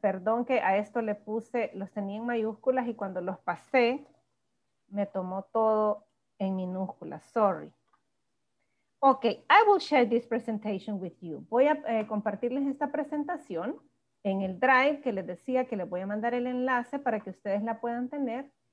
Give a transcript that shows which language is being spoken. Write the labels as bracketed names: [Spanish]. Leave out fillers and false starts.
[Spanish] Perdón que a esto le puse, los tenía en mayúsculas y cuando los pasé, me tomó todo en minúsculas, sorry. [English] Okay, I will share this presentation with you. [Spanish] Voy a compartirles esta presentación en el Drive que les decía que les voy a mandar el enlace para que ustedes la puedan tener.